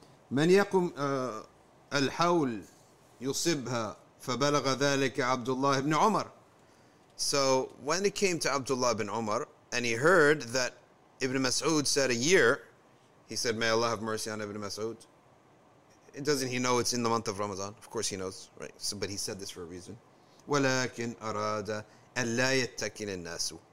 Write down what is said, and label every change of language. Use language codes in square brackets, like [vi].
[ar] من يقم الحول يصبها فبلغ ذلك عبد الله بن عمر. [en] So when it came to Abdullah ibn Umar and he heard that Ibn Mas'ud said a year, he said, may Allah have mercy on Ibn Mas'ud. Doesn't he know it's in the month of Ramadan? Of course he knows, right? So, but he said this for a reason. [ar] ولكن أراد أن لا يتكل الناس.